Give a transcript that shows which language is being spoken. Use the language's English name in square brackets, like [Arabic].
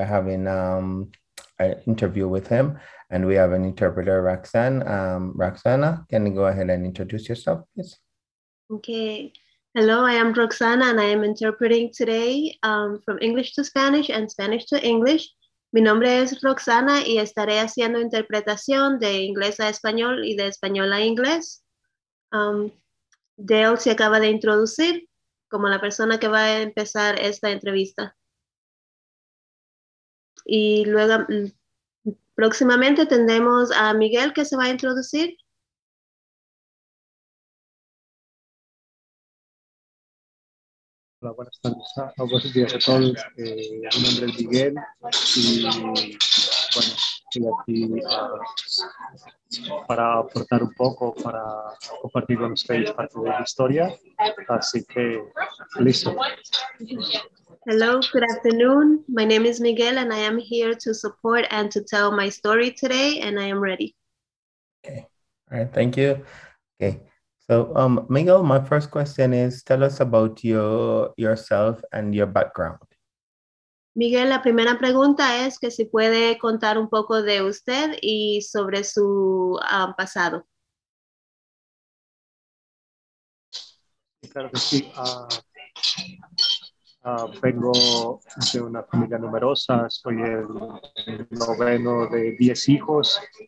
[English] An interview with him, and we have an interpreter, Roxanne. Roxana, can you go ahead and introduce yourself, please? Okay. Hello, I am Roxana, and I am interpreting today from English to Spanish and Spanish to English. [Spanish] Mi nombre es Roxana, y estaré haciendo interpretación de inglés a español y de español a inglés. Dale se acaba de introducir como la persona que va a empezar esta entrevista. Y luego, próximamente tendremos a Miguel que se va a introducir. Hola, buenas tardes a buenos días a todos. Mi nombre es Miguel y bueno, estoy aquí para aportar un poco, para compartir con ustedes parte de la historia. Así que, listo. [English] Hello, good afternoon. My name is Miguel, and I am here to support and to tell my story today, and I am ready. Okay. All right, thank you. Okay. So, Miguel, my first question is, tell us about yourself and your background. [Spanish] Miguel, la primera pregunta es que si puede contar un poco de usted y sobre su pasado. Claro que vengo de una familia numerosa, soy el noveno de 10 hijos.